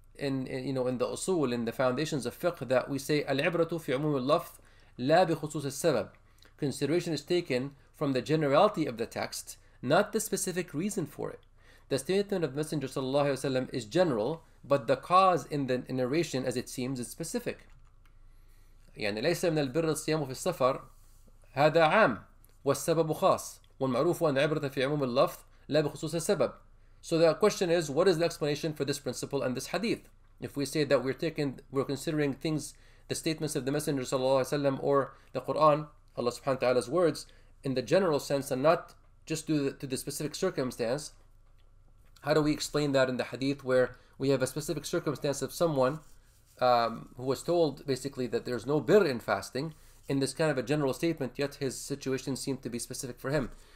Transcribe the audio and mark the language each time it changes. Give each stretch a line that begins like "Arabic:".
English: in the usul, in the foundations of fiqh, that we say
Arabic: al-ibratu fi umum al-lafz la bi khusus al-sabab.
English: Consideration is taken from the generality of the text, not the specific reason for it. The statement of the Messenger sallallahu alayhi wa sallam is general, but the cause in the narration, as it seems, is specific.
Arabic: يعني ليس من البر الصيام في السفر هذا عام والسبب خاص والمعروف أن العبرة في عموم اللفظ لا بخصوص السبب.
English: So the question is, what is the explanation for this principle and this hadith? If we say that we're considering things, the statements of the Messenger صلى الله عليه وسلم or the Quran, Allah سبحانه وتعالى's words, in the general sense and not just to the specific circumstance, how do we explain that in the hadith where we have a specific circumstance of someone who was told basically that there's no birr in fasting in this kind of a general statement, yet his situation seemed to be specific for him?